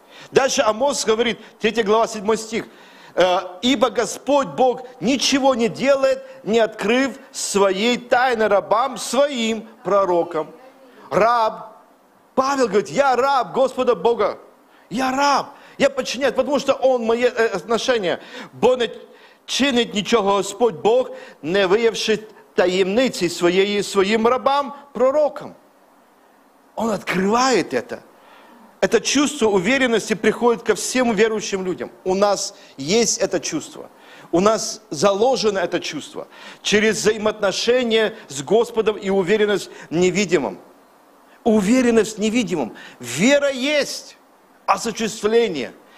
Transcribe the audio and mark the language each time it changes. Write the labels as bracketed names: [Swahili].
[Russian] Дальше Амос говорит, 3 глава, 7 стих. «Ибо Господь Бог ничего не делает, не открыв своей тайны рабам, своим пророкам». Раб. Павел говорит, я раб Господа Бога. Я раб. Я подчиняюсь, потому что он мои отношения. [Ukrainian] Бо не чинить нічого Господь Бог, не виявши таємниці своєї своїм рабам, пророкам. [Russian] Он открывает это. Это чувство уверенности приходит ко всем верующим людям. У нас есть это чувство. У нас заложено это чувство. Через взаимоотношения с Господом и уверенность в невидимом. Уверенность в невидимом. Вера есть. Осуществление.